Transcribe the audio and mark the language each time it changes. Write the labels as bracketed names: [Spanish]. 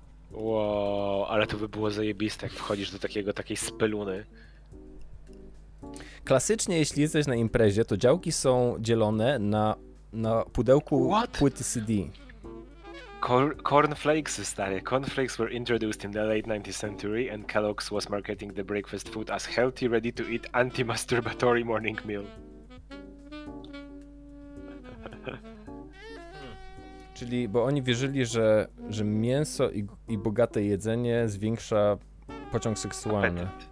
[Polish] Wow, ale to by było zajebiste, jak wchodzisz do takiego, takiej speluny. Klasycznie, jeśli jesteś na imprezie, to działki są dzielone na pudełku płyty CD. Cornflakes, stary. [English] Cornflakes were introduced in the late 19th century and Kellogg's was marketing the breakfast food as healthy, ready to eat, anti-masturbatory morning meal. [Polish] Czyli, bo oni wierzyli, że mięso i bogate jedzenie zwiększa pociąg seksualny.